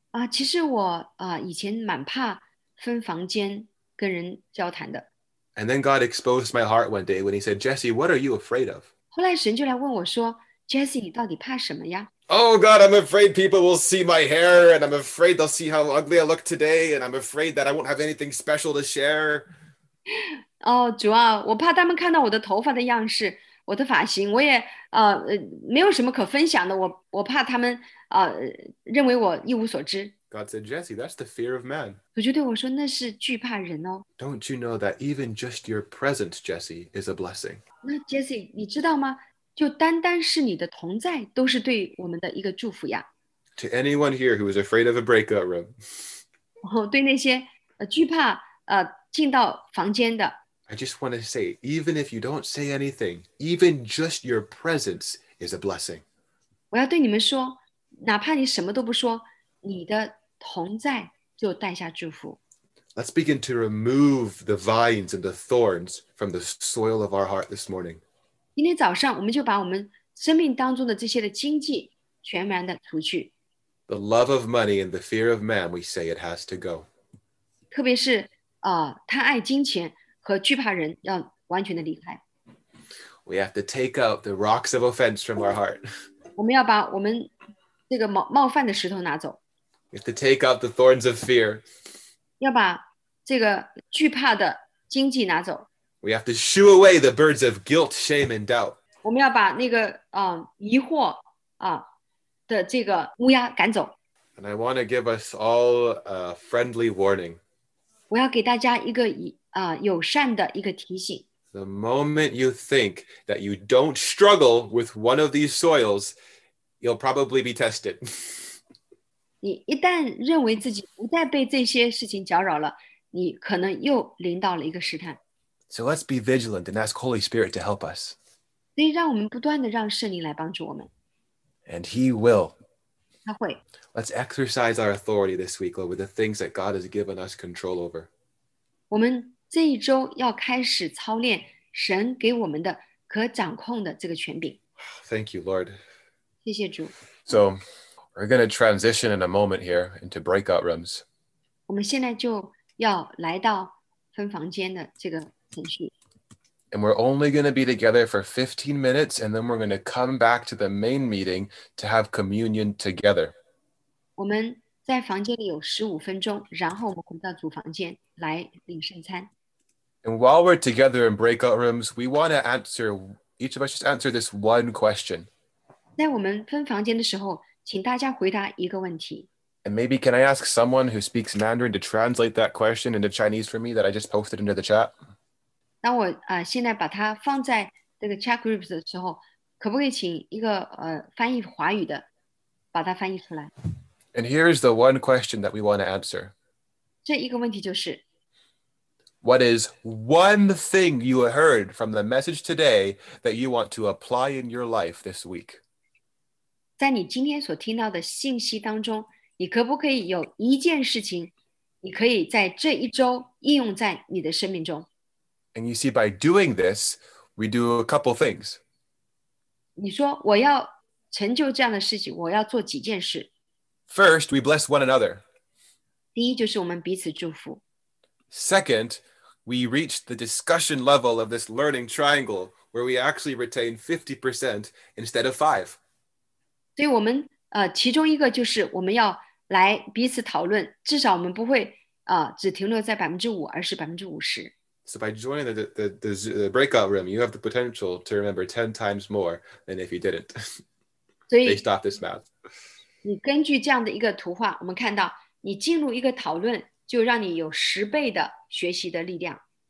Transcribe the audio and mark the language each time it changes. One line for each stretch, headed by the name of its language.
Chinese: 其实我以前蛮怕分房间跟人交谈的。
English: And then God exposed my heart one day when he said, Jesse, what are you afraid of?
Chinese: 后来神就来问我说 Jesse, 你到底怕什么呀？
English: Oh God, I'm afraid people will see my hair, and I'm afraid they'll see how ugly I look today, and I'm afraid that I won't have anything special to share.
Chinese: Oh, 主啊，我怕他们看到我的头发的样式，我的发型，我也没有什么可分享的。我怕他们认为我一无所知。
English: God said, Jesse, that's the fear of man.
Chinese: 主就对我说，那是惧怕人哦。
English: Don't you know that even just your presence, Jesse, is a blessing?
Chinese: 那 Jesse, 你知道吗？就单单是你的同在都是对我们的一个祝福呀。
English: To anyone here who is afraid of a breakout room.
Chinese: 对那些惧怕进到房间的。
English: I just want to say, even if you don't say anything, even just your presence is a blessing.
Chinese: 我要对你们说，哪怕你什么都不说，你的同在就带下祝福。
English: Let's begin to remove the vines and the thorns from the soil of our heart this morning.
Chinese: 今天早上我们就把我们生命当中的这些的荆棘全然的除去。
English: The love of money and the fear of man, we say it has to go.
Chinese: 特别是贪爱金钱和惧怕人要完全的离开。
English: We have to take out the rocks of offense from our heart.
Chinese: 我们要把我们这个冒犯的石头拿走。
English: We have to take out the thorns of fear.
Chinese: 要把这个惧怕的荆棘拿走。
English: We have to shoo away the birds of guilt, shame, and doubt.
Chinese: 我们要把那个疑惑的这个乌鸦赶走。
English: And I want to give us all a friendly warning.
Chinese: 我要给大家一个友善的一个提醒。
English: The moment you think that you don't struggle with one of these soils, you'll probably be tested.
Chinese: 你一旦认为自己不再被这些事情搅扰了，你可能又临到了一个试探。
English: So let's be vigilant and ask Holy Spirit to help us.
Chinese: 所以让我们不断地让圣灵来帮助我们。
English: And he will.
Chinese: 他会。
English: Let's exercise our authority this week, Lord, with the things that God has given us control over.
Chinese: 我们这一周要开始操练神给我们的可掌控的这个权柄。
English: Thank you, Lord.
Chinese: 谢谢主。
English: So we're going to transition in a moment here into breakout rooms.
Chinese: 我们现在就要来到分房间的这个。
English: And we're only going to be together for 15 minutes, and then we're going to come back to the main meeting to have communion together.
Chinese: 我们在房间里有15分钟，然后我们回到主房间来领圣餐。
English: And while we're together in breakout rooms, we want to answer, each of us just answer this one question.
Chinese: 在我们分房间的时候，请大家回答一个问题。
English: And maybe can I ask someone who speaks Mandarin to translate that question into Chinese for me that I just posted into the chat?
Chinese: 那我现在把它放在这个
English: chat groups
Chinese: 的时候，可不可以请一个翻译华语的把它翻译出来
English: ？And here is the one question that we want to answer.
Chinese: 这一个问题就是
English: ，What is one thing you heard from the message today that you want to apply in your life this week？
Chinese: 在你今天所听到的信息当中，你可不可以有一件事情，你可以在这一周应用在你的生命中？
English: And you see, by doing this, we do a couple things.
Chinese: 你说我要成就这样的事情，我要做几件事。
English: First, we bless one another.
Chinese: 第一就是我们彼此祝福。
English: Second, we reach the discussion level of this learning triangle, where we actually retain 50% instead of 5.
Chinese: 所以我们其中一个就是我们要来彼此讨论，至少我们不会只停留在5%，而是50%。
English: So by joining the breakout room, you have the potential to remember 10 times more than if you didn't. Based off this math.
Chinese: 你根据这样的一个图画，我们看到你进入一个讨论，就让你有十倍的学习的力量。